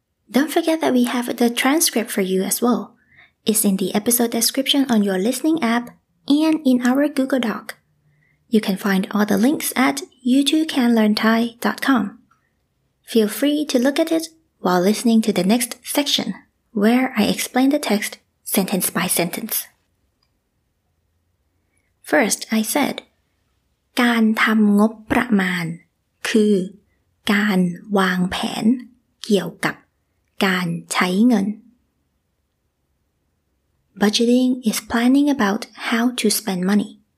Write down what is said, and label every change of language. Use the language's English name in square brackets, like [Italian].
[English] Don't forget that we have the transcript for you as well. It's in the episode description on your listening app and in our Google Doc. You can find all the links at you2canlearnthai.com. Feel free to look at it while listening to the next section, where I explain the text sentence by sentence. First, I said, [Thai] การทำงบประมาณคือการวางแผนเกี่ยวกับการใช้เงิน [English] Budgeting is planning about how to spend money.